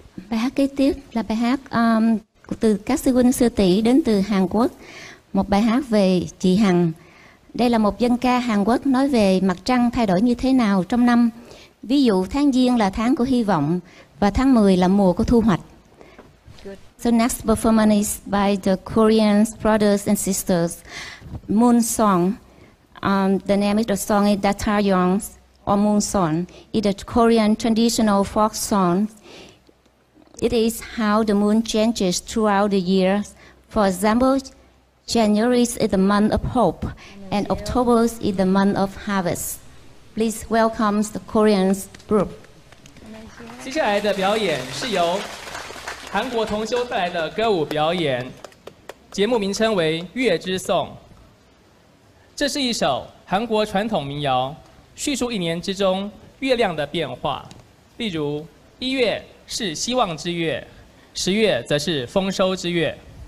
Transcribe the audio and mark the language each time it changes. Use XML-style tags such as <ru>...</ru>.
<vi>Bài hát kế tiếp là bài hát từ các sư huynh sư tỷ đến từ Hàn Quốc. Một bài hát về chị Hằng. Đây là một dân ca Hàn Quốc nói về mặt trăng thay đổi như thế nào trong năm. Ví dụ tháng Giêng là tháng của hy vọng và tháng 10 là mùa của thu hoạch.</vi> <en>Good. So next performance is by the Korean brothers and sisters, Moon Song. The name of the song is Datayong. Or Moon Song is a Korean traditional folk song. It is how the moon changes throughout the year. For example, January is the month of hope, and October is the month of harvest. Please welcome the Korean group.</en> <zh>接下来的表演是由韩国同修带来的歌舞表演，节目名称为《月之颂》。这是一首韩国传统民谣。叙述一年之中月亮的变化，例如一月是希望之月，十月则是丰收之月。</zh>